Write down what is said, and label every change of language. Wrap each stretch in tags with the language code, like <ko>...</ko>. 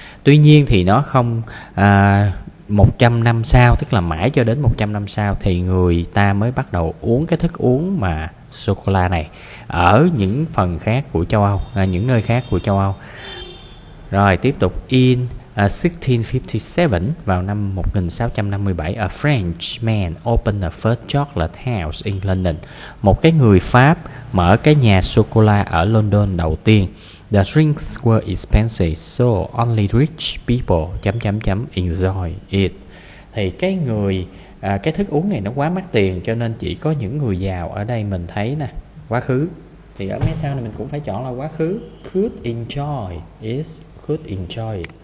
<vi>Tuy nhiên thì nó không 100 năm sau, tức là mãi cho đến 100 năm sau thì người ta mới bắt đầu uống cái thức uống mà sô-cô-la này ở những phần khác của châu Âu, những nơi khác của châu Âu.</vi> <en>Rồi tiếp tục, in 1657, vào năm 1657, a Frenchman opened the first chocolate house in London.</en> <vi>Một cái người Pháp mở cái nhà sô-cô-la ở London đầu tiên.</vi> <en>The drinks were expensive, so only rich people enjoy it.</en> <vi>Thì cái người cái thức uống này nó quá mắc tiền, cho nên chỉ có những người giàu ở đây mình thấy nè. Quá khứ thì ở mấy sau này mình cũng phải chọn là quá khứ. Could enjoy is could enjoy.</vi>